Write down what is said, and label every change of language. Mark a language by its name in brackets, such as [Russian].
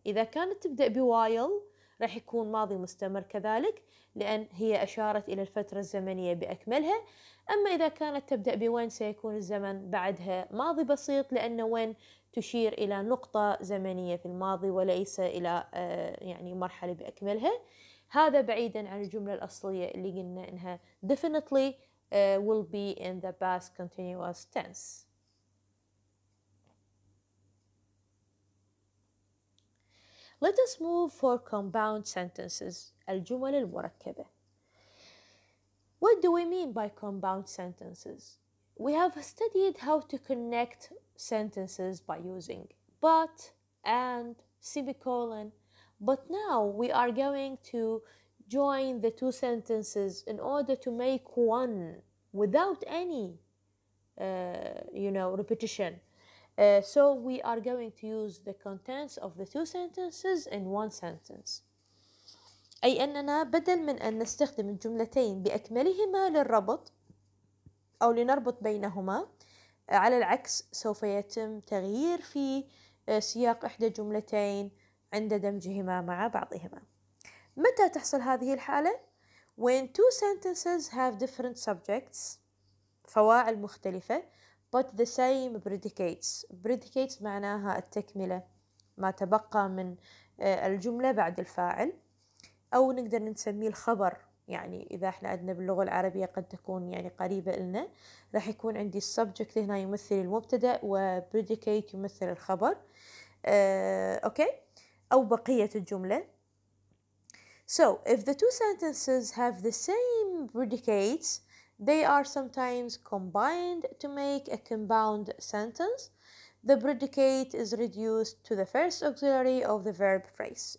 [Arabic] إذا كانت تبدأ بوايل راح يكون ماضي مستمر كذلك، لأن هي أشارت إلى الفترة الزمنية بأكملها. أما إذا كانت تبدأ بوين سيكون الزمن بعدها ماضي بسيط، لأن وين تشير إلى نقطة زمنية في الماضي وليس إلى يعني مرحلة بأكملها. هذا بعيدا عن الجملة الأصلية اللي قلنا إنها [English] definitely will be in the past continuous tense. Let us move for compound sentences. [Arabic] الجمل المركبة. [English] What do we mean by compound sentences? We have studied how to connect sentences by using but, and, semicolon, But now we are going to join the two sentences in order to make one without any, repetition. So we are going to use the contents of the two sentences in one sentence. [Arabic] أي أننا بدل من أن نستخدم الجملتين بأكملهما للربط أو لنربط بينهما على العكس سوف يتم تغيير في سياق إحدى الجملتين عند دمجهما مع بعضهما. متى تحصل هذه الحالة؟ [English] When two sentences have different subjects [Arabic] فواعل مختلفة [English] but the same predicates. [Arabic] Predicates معناها التكملة ما تبقى من الجملة بعد الفاعل أو نقدر نسميه الخبر يعني إذا إحنا عندنا باللغة العربية قد تكون يعني قريبة لنا راح يكون عندي subject هنا يمثل المبتدأ وpredicate يمثل الخبر okay أو بقية الجملة. [English] So if the two sentences have the same predicates they are sometimes combined to make a compound sentence. The predicate is reduced to the first auxiliary of the verb phrase.